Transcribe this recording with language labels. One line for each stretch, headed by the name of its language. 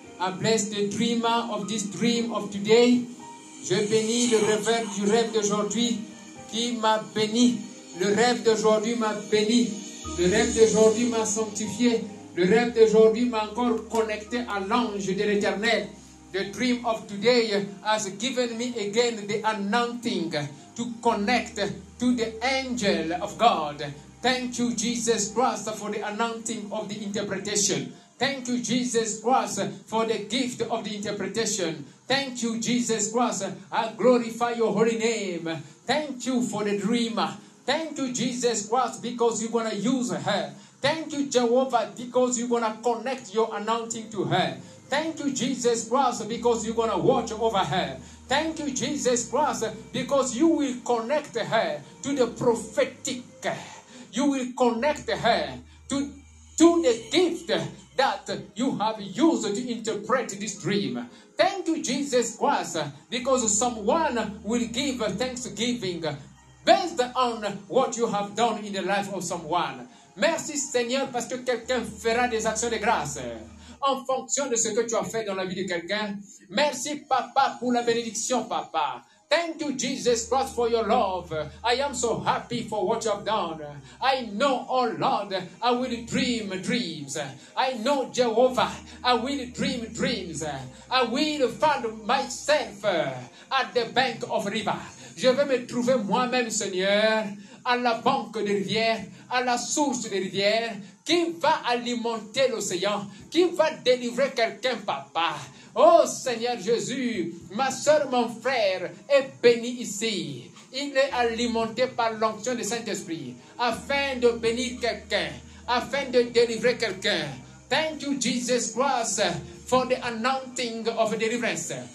English: I bless the dreamer of this dream of today.
French: Je bénis le rêveur du rêve d'aujourd'hui qui m'a béni. Le rêve d'aujourd'hui m'a béni. Le rêve d'aujourd'hui m'a sanctifié. Le rêve d'aujourd'hui m'a encore connecté à l'ange de l'éternel.
English: The dream of today has given me again the anointing to connect to the angel of God. Thank you, Jesus Christ, for the anointing of the interpretation. Thank you, Jesus Christ, for the gift of the interpretation. Thank you, Jesus Christ. I glorify your holy name. Thank you for the dreamer. Thank you, Jesus Christ, because you're going to use her. Thank you, Jehovah, because you're going to connect your anointing to her. Thank you, Jesus Christ, because you're going to watch over her. Thank you, Jesus Christ, because you will connect her to the prophetic. You will connect her to the gift that you have used to interpret this dream. Thank you, Jesus Christ, because someone will give thanksgiving based on what you have done in the life of someone.
French: Merci, Seigneur, parce que quelqu'un fera des actions de grâce en fonction de ce que tu as fait dans la vie de quelqu'un. Merci, Papa, pour la bénédiction, Papa.
English: Thank you, Jesus Christ, for your love. I am so happy for what you have done. I know, oh Lord, I will dream dreams. I know, Jehovah, I will dream dreams. I will find myself at the bank of river.
French: Je vais me trouver moi-même, Seigneur, à la banque des rivières, à la source des rivières, qui va alimenter l'océan, qui va délivrer quelqu'un, Papa. Oh Seigneur Jésus, ma soeur, mon frère est béni ici. Il est alimenté par l'onction du Saint-Esprit afin de bénir quelqu'un, afin de délivrer quelqu'un.
English: Thank you, Jesus Christ, for the anointing of deliverance.